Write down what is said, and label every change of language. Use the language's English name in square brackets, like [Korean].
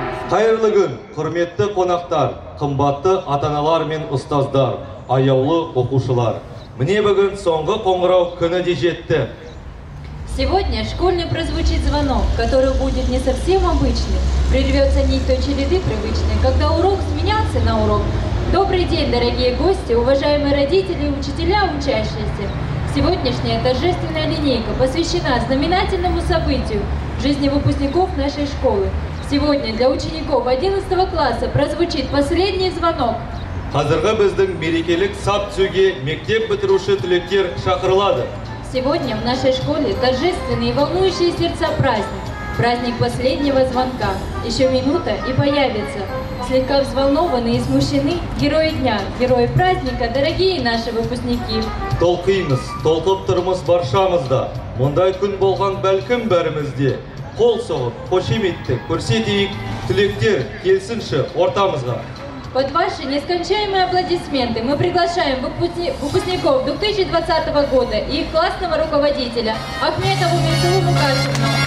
[Kazakh] Қайырлы күн, құрметті қонақтар, қымбатты ата-аналар мен ұстаздар, аяулы оқушылар. Міне бүгін соңғы қоңырау күні де жетті. [Russian] Сегодня школьный прозвучит звонок, который будет не совсем обычный. Прервется нить очереди привычной, когда урок сменялся на урок. Добрый день, дорогие гости, уважаемые родители и учителя учащиеся. Сегодняшняя торжественная линейка посвящена знаменательному событию в жизни выпускников нашей школы. Сегодня для учеников 11 класса прозвучит последний звонок. [Kazakh] Қазіргі біздің мерекелік сап түзуге мектеп бітіруші түлектер шақырылады. [Russian] Сегодня в нашей школе торжественный и волнующий сердца праздник. Праздник последнего звонка. Еще минута и появится. Слегка взволнованы и смущены герои дня, герои праздника, дорогие наши выпускники. [Kazakh] Толкимыз, толкып тұрмыз баршамызда. Мұндай күн болған бәлкім бәрімізде. Қол соғып, қошеметті, көрсетейік, тілектер, келсінші ортамызға. [Russian] Под ваши нескончаемые аплодисменты мы приглашаем выпускников 2020 года и их классного руководителя Ахметову Мирсулу Мукашевну.